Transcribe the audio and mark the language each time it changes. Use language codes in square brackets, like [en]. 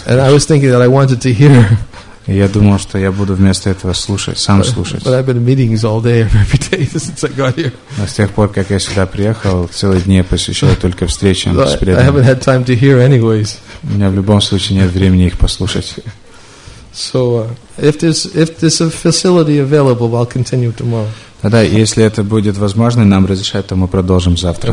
[en] And I was thinking that I wanted to hear. [ru] И я думал, что я буду вместо этого слушать, сам слушать. [en] But I've been in meetings all day, every day since I got here. [ru] Но с тех пор, как я сюда приехал, целые дни посвящал только встречам с преданными. [en] I haven't had time to hear anyways. [ru] У меня в любом случае нет времени их послушать. [en] So if there's a facility available, I'll continue tomorrow. [ru] Тогда, если это будет возможно, нам разрешать, то мы продолжим завтра.